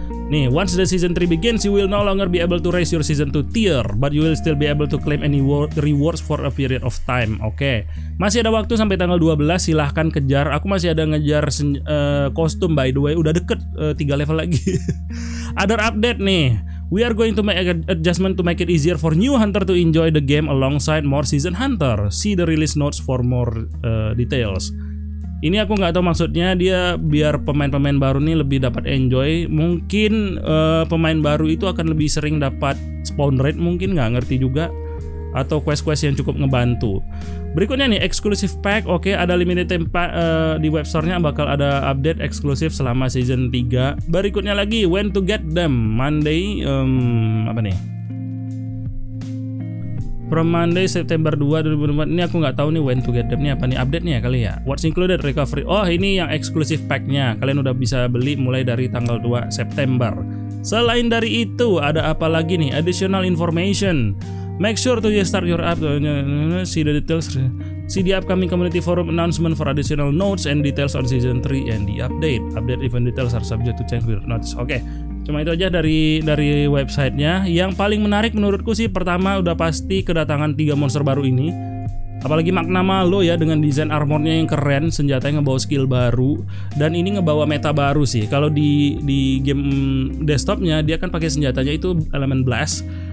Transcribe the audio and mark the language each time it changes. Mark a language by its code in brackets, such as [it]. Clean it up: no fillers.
[en] Nih, once the season 3 begins, you will no longer be able to raise your season 2 tier, but you will still be able to claim any rewards for a period of time. Oke, okay. [id] Masih ada waktu sampai tanggal 12, silahkan kejar. Aku masih ada ngejar kostum, [en] by the way, [id] udah deket 3 level lagi. [en] Other update nih, we are going to make adjustment to make it easier for new hunter to enjoy the game alongside more season hunter. See the release notes for more details. [id] Ini aku nggak tahu maksudnya dia biar pemain-pemain baru nih lebih dapat enjoy. Mungkin pemain baru itu akan lebih sering dapat spawn rate mungkin, nggak ngerti juga. Atau quest-quest yang cukup ngebantu. Berikutnya nih, exclusive pack. Oke, ada limited tempat di webstore-nya bakal ada update eksklusif selama season 3. Berikutnya lagi, [en] when to get them? Monday, [id] apa nih? [en] From Monday September 2 2024. [id] Ini aku nggak tahu nih [en] when to get them, [id] ini apa nih update-nya kali ya. [en] What's included recovery. [id] Oh, ini yang exclusive pack-nya. Kalian udah bisa beli mulai dari tanggal 2 September. Selain dari itu, ada apa lagi nih? [en] Additional information. Make sure to start your app. See the details. See the upcoming community forum announcement for additional notes and details on season 3 and the update. Update event details are subject to change with notes. Oke. [id] Cuma itu aja dari website-nya. Yang paling menarik menurutku sih, pertama udah pasti kedatangan 3 monster baru ini. Apalagi Magnama lo ya, dengan desain armornya yang keren, senjatanya ngebawa skill baru, dan ini ngebawa meta baru sih. Kalau di game desktopnya dia kan pakai senjatanya itu elemen blast.